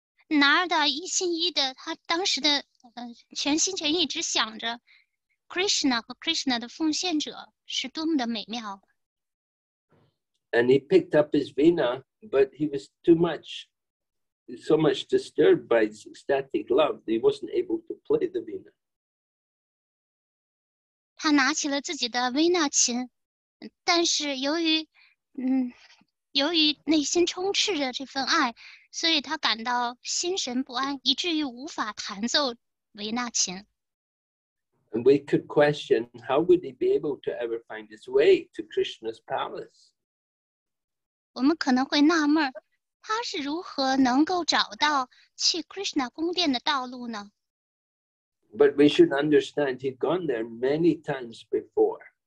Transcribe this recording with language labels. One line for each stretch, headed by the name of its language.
Chinese: Narada 一心一的，他当时的全心全意只想着 Krishna 和 Krishna 的奉献者是多么的美妙。
English: And he picked up his veena, but he was too much, so much disturbed by his ecstatic love, he wasn't able to play the veena.
Chinese: 他拿起了自己的维纳琴，但是由于内心充斥着这份爱，所以他感到心神不安，以至于无法弹奏维纳琴。
English: And we could question how would he be able to ever find his way to Krishna's palace?
Chinese: 我们可能会纳闷，他是如何能够找到去 Krishna 宫殿的道路呢？
English: But we should understand he'd gone there many times before.